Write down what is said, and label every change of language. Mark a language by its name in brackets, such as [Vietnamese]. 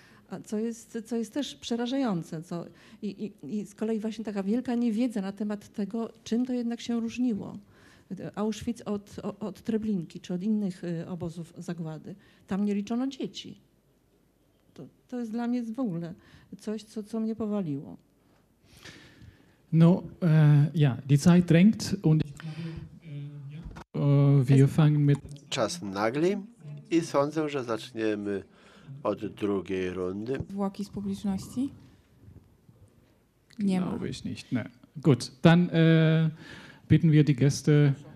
[Polish] A co jest też przerażające. I z kolei właśnie taka wielka niewiedza na temat tego, czym to jednak się różniło. Auschwitz od Treblinki czy od innych obozów zagłady. Tam nie liczono dzieci. To jest dla mnie w ogóle coś, co mnie powaliło. [German] No, ja, die Zeit drängt und wir fangen mit... [Polish] Czas nagli i sądzę, że zaczniemy od drugiej rundy. Zwłoki z publiczności? Nie ma. [German] Glaube ich nicht. Ne. Gut, dann bitten wir die Gäste.